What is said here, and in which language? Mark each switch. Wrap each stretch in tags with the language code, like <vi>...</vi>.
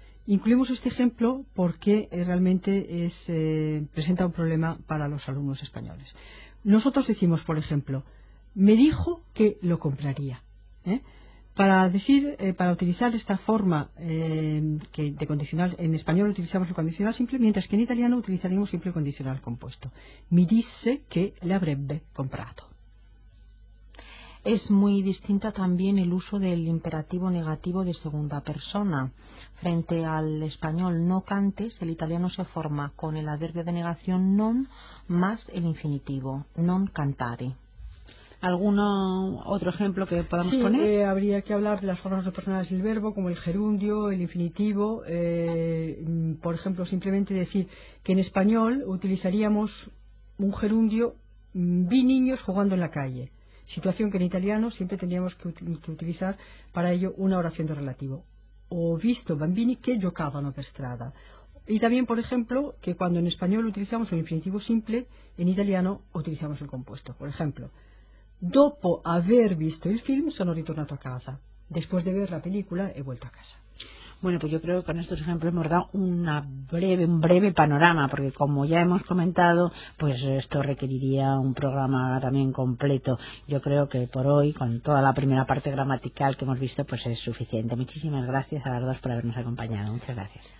<es>Incluimos este ejemplo porque realmente presenta un problema para los alumnos españoles. Nosotros decimos, por ejemplo, me dijo que lo compraría. Para decir, para utilizar esta forma que de condicional, en español utilizamos el condicional simple, mientras que en italiano utilizaríamos siempre el condicional compuesto.</es> <it>Mi disse che l'avrebbe comprato.</it> <es>Es muy distinta también el uso del imperativo negativo de segunda persona. Frente al español no cantes, el italiano se forma con el adverbio de negación non más el infinitivo, non cantare. ¿Algún otro ejemplo que podamos poner? Sí, habría que hablar de las formas personales del verbo, como el gerundio, el infinitivo. Por ejemplo, simplemente decir que en español utilizaríamos un gerundio, vi niños jugando en la calle. Situación que en italiano siempre teníamos que utilizar para ello una oración de relativo.</es> <it>O visto bambini che giocavano per strada.</it> <es>Y también, por ejemplo, que cuando en español utilizamos un infinitivo simple, en italiano utilizamos el compuesto.</es> <it>Por ejemplo, dopo aver visto il film sono ritornato a casa.</it> <es>Después de ver la película he vuelto a casa. Bueno, pues yo creo que con estos ejemplos hemos dado un breve panorama, porque como ya hemos comentado, pues esto requeriría un programa también completo. Yo creo que por hoy, con toda la primera parte gramatical que hemos visto, pues es suficiente. Muchísimas gracias a las dos por habernos acompañado. Muchas gracias.</es>